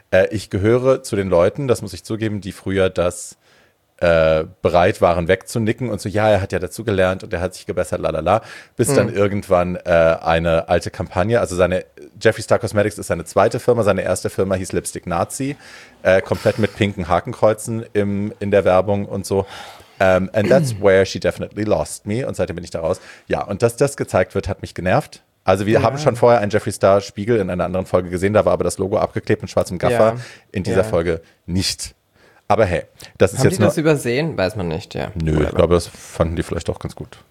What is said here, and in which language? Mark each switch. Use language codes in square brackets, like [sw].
[de] Ich gehöre zu den Leuten, das muss ich zugeben, die früher das bereit waren, wegzunicken und so, ja, er hat ja dazu gelernt und er hat sich gebessert, lalala, bis dann irgendwann eine alte Kampagne, also seine Jeffree Star Cosmetics ist seine zweite Firma, seine erste Firma hieß Lipstick Nazi, komplett mit pinken Hakenkreuzen in der Werbung und so. [en] And that's where she definitely lost me. [de] Und seitdem bin ich da raus. Ja, und dass das gezeigt wird, hat mich genervt. Also wir haben schon vorher einen Jeffree Star Spiegel in einer anderen Folge gesehen. Da war aber das Logo abgeklebt mit schwarzem Gaffer. Ja. In dieser Folge nicht. Aber hey, das ist haben jetzt nur. Haben die das übersehen? Weiß man nicht, ja. Nö, ich glaube, das fanden die vielleicht auch ganz gut.